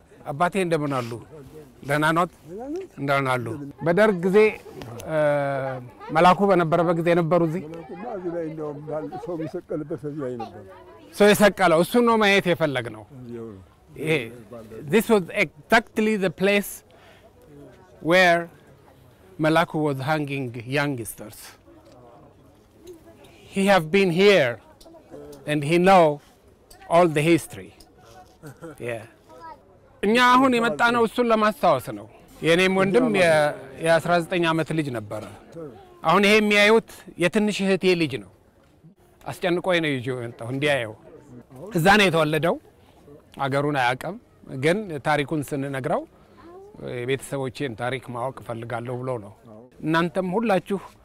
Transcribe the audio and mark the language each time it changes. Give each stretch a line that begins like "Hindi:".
Amharic: አባቴ እንደምን አሉ? ደህና ነዎት? እንደምን አሉ? በደርግ ጊዜ መላኩ በነበረበት ጊዜ ነበሩ እዚህ? እዚህ ላይ እንደውም ሰው የሰቀለበት እዚህ ላይ ነበር። ሰው የሰቀለው እሱ ነው ማየት የፈለግነው። ይሄ
English: this was exactly the place where Malaku was hanging youngsters. He have been here and he know all the history. Yeah.
Amharic: እኛ አሁን የመጣነው እሱን ለማስተዋወስ ነው። የኔም ወንድም የ19 አመት ልጅ ነበር። አሁን ይሄ የሚያዩት የትንሽ እህቴ ልጅ ነው። አስጨንቆይ ነው ይጆ እንጠው እንዲያዩ። እዛ ነው የተወለደው። አገሩን አያቀም ግን ታሪኩን ስንነግረው የቤተሰቦቼን ታሪክ ማወቅ ፈልጋለሁ ብሎ ነው። እናንተም ሁላችሁ